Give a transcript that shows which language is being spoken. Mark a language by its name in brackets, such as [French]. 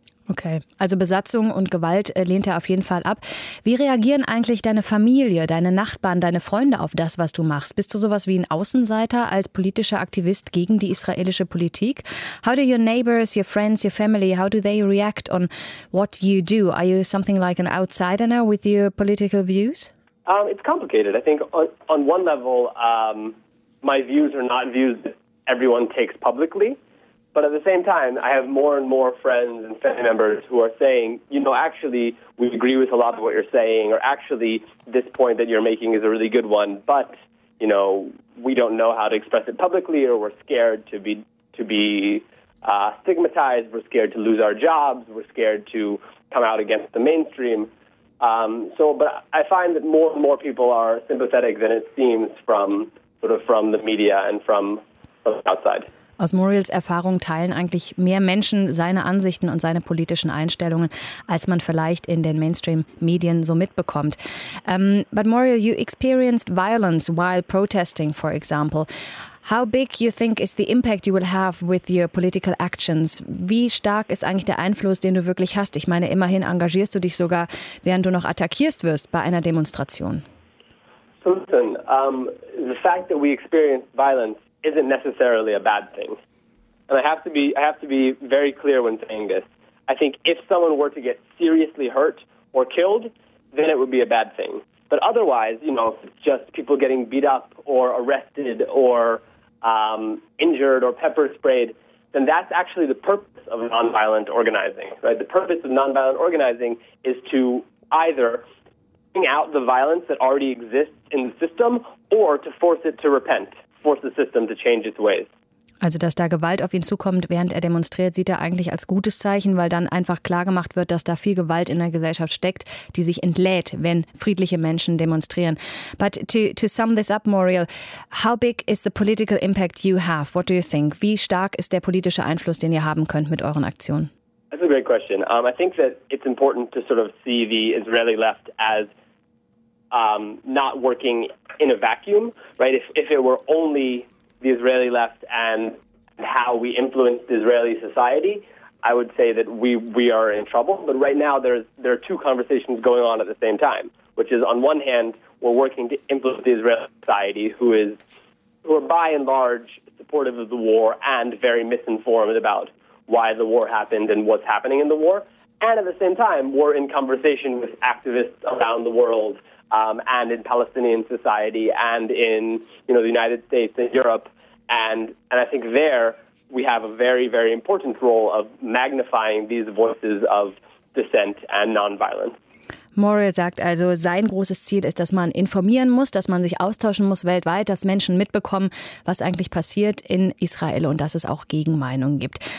[German] Okay, also Besatzung und Gewalt lehnt er auf jeden Fall ab. Wie reagieren eigentlich deine Familie, deine Nachbarn, deine Freunde auf das, was du machst? Bist du sowas wie ein Außenseiter als politischer Aktivist gegen die israelische Politik? [English] How do your neighbors, your friends, your family, how do they react on what you do? Are you something like an outsider with your political views? It's complicated. I think on one level, my views are not views that everyone takes publicly. But at the same time, I have more and more friends and family members who are saying, you know, actually, we agree with a lot of what you're saying, or actually, this point that you're making is a really good one, but, you know, we don't know how to express it publicly, or we're scared to be stigmatized, we're scared to lose our jobs, we're scared to come out against the mainstream. But I find that more and more people are sympathetic than it seems from the media and from outside. [German] Aus Muriels Erfahrung teilen eigentlich mehr Menschen seine Ansichten und seine politischen Einstellungen, als man vielleicht in den Mainstream-Medien so mitbekommt. [English] But Muriel, you experienced violence while protesting, for example. How big you think is the impact you will have with your political actions? [German] Wie stark ist eigentlich der Einfluss, den du wirklich hast? Ich meine, immerhin engagierst du dich sogar, während du noch attackierst wirst bei einer Demonstration. [English] So listen, the fact that we experienced violence isn't necessarily a bad thing. And I have to be very clear when saying this. I think if someone were to get seriously hurt or killed, then it would be a bad thing. But otherwise, you know, if it's just people getting beat up or arrested or injured or pepper sprayed, then that's actually the purpose of nonviolent organizing, right? The purpose of nonviolent organizing is to either bring out the violence that already exists in the system or to force it to repent. Force the system to change its ways. [German] Also, dass da Gewalt auf ihn zukommt, während er demonstriert, sieht er eigentlich als gutes Zeichen, weil dann einfach klargemacht wird, dass da viel Gewalt in der Gesellschaft steckt, die sich entlädt, wenn friedliche Menschen demonstrieren. [English] But to sum this up, Muriel, how big is the political impact you have? What do you think? [German] Wie stark ist der politische Einfluss, den ihr haben könnt mit euren Aktionen? [English] That's a great question. I think that it's important to sort of see the Israeli left as not working in a vacuum, right? If it were only the Israeli left and how we influenced Israeli society, I would say that we are in trouble. But right now there are two conversations going on at the same time, which is on one hand, we're working to influence the Israeli society who are by and large supportive of the war and very misinformed about why the war happened and what's happening in the war. And at the same time, we're in conversation with activists around the world and in Palestinian society and in, you know, the United States and Europe. And I think there we have a very, very important role of magnifying these voices of dissent and nonviolence. [German] Muriel sagt also, sein großes Ziel ist, dass man informieren muss, dass man sich austauschen muss weltweit, dass Menschen mitbekommen, was eigentlich passiert in Israel und dass es auch Gegenmeinungen gibt.